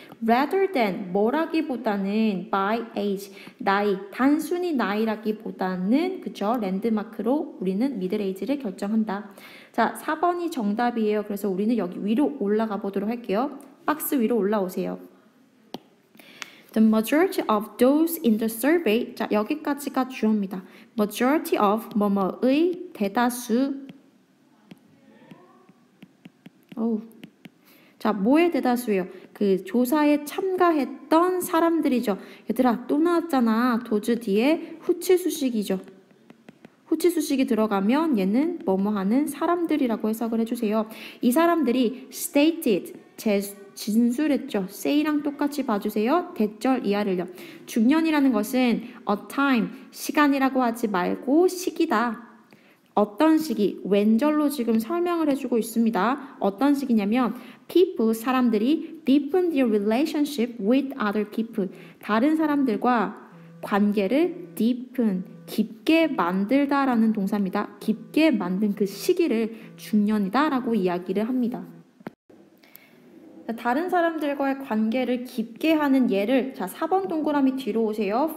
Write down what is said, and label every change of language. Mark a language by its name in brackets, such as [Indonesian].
[English] Rather than [Korean] 뭐라기보다는 by age, 나이, 단순히 나이라기보다는 그렇죠. 랜드마크로 우리는 middle age를 결정한다. 자, 4번이 정답이에요. 그래서 우리는 여기 위로 올라가 보도록 할게요. 박스 위로 올라오세요. [English] The majority of those in the survey. [Korean] 자, 여기까지가 주어입니다. Majority of 뭐뭐의 대다수. 오. 자, 뭐의 대다수예요? 그 조사에 참가했던 사람들이죠. 얘들아, 또 나왔잖아. 도즈 뒤에 후치 수식이죠. 후치 수식이 들어가면 얘는 뭐뭐하는 사람들이라고 해석을 해주세요. 이 사람들이 stated, 진술했죠. say랑 똑같이 봐주세요. 대절 이하를요. 중년이라는 것은 a time, 시간이라고 하지 말고 시기다. 어떤 시기, 왼절로 지금 설명을 해주고 있습니다. 어떤 시기냐면 [English] people, 사람들이 deepen their relationship with other people. [Korean] 다른 사람들과 관계를 deepen, 깊게 만들다라는 동사입니다. 깊게 만든 그 시기를 중년이다라고 이야기를 합니다. 다른 사람들과의 관계를 깊게 하는 예를, 자, 4번 동그라미 뒤로 오세요.